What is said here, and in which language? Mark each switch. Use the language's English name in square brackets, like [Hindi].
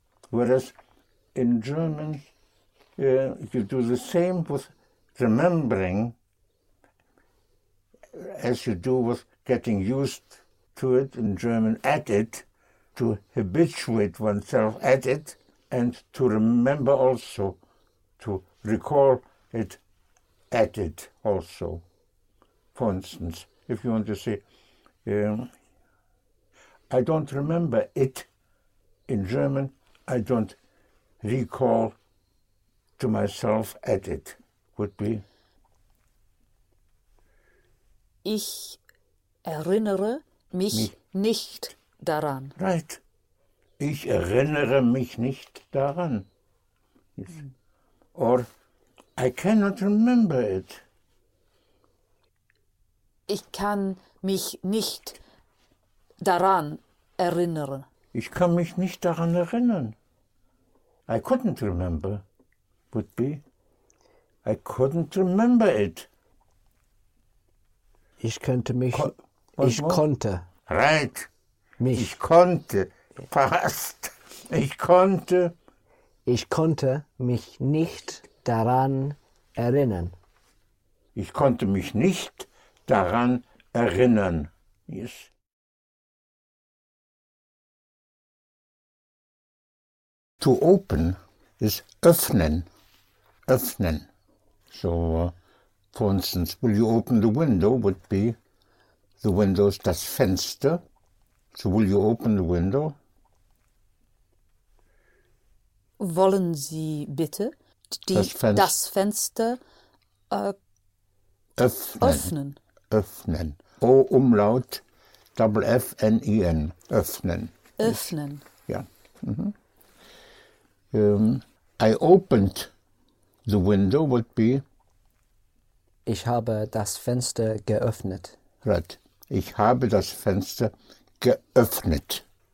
[English] Whereas in German, you do the same with remembering as you do with getting used to it in German, at it, to habituate oneself at it, and to remember also, to recall it at it also. For instance, if you want to say, I don't remember it in German, I don't recall to myself at it, would be? [German] Ich erinnere mich nicht daran. [English] Right. [German] Ich erinnere mich nicht daran. [English] Yes. Or, I cannot remember it. [German] Ich kann mich nicht daran erinnern. Ich kann mich nicht daran erinnern. [English] I couldn't remember, would be. I couldn't remember it. [German] Ich könnte mich, ich konnte. [English] Right. [German] Mich. Ich konnte. Fast. Ich konnte mich nicht daran erinnern. Ich konnte mich nicht daran erinnern. [English] Yes. To open is öffnen. Öffnen. So, for instance, will you open the window would be the window is das Fenster. So will you open the window? [German] Wollen Sie bitte das Fenster öffnen? Öffnen. [English] O Umlaut, double F-N-I-N. [German] Öffnen. Öffnen. Ja. [English] I opened the window would be? [German] Ich habe das Fenster geöffnet. [English] Right. [German] Ich habe das Fenster geöffnet.